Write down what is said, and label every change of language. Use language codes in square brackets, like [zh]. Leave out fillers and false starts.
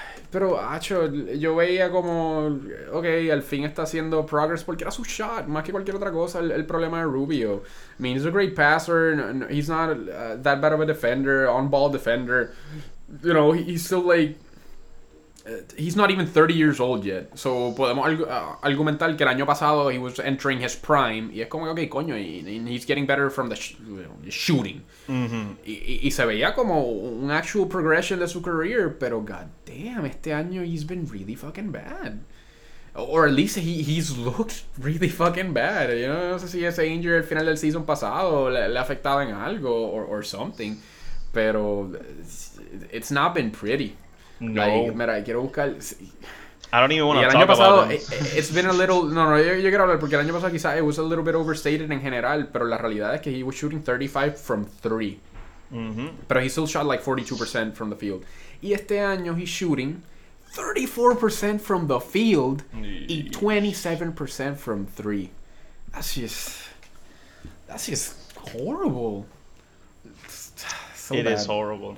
[es] Pero, acho, yo veía como, okay, al fin está haciendo progress porque era su shot, más que cualquier otra cosa, el problema de Rubio. [en] I mean, he's a great passer, he's not that bad of a defender, on-ball defender. You know, he's still like, he's not even 30 years old yet. [es] So, podemos argumentar que el año pasado [en] he was entering his prime. [es] Y es como, [en] okay, coño, and he's getting better from the shooting. Mm-hmm. [es] Y se veía como un [en] actual progression [es] de su career. [en] Pero, god damn, [es] este año [en] he's been really fucking bad. Or at least he's looked really fucking bad. [es] You know, no sé si ese injury al final del season pasado le afectaba en algo [en] or something. Pero it's not been pretty. No. [es] Like, mira, quiero buscar. [en] I don't even want to talk about that. It's been a little. [es] No, yo quiero hablar porque el año pasado quizás [en] it was a little bit overstated [es] en general, pero la realidad es que [en] he was shooting 35 from 3. Mm-hmm. Pero he still shot like 42% from the field. [es] Y este año [en] he's shooting 34% from the field y 27% from 3. That's just horrible. It is horrible.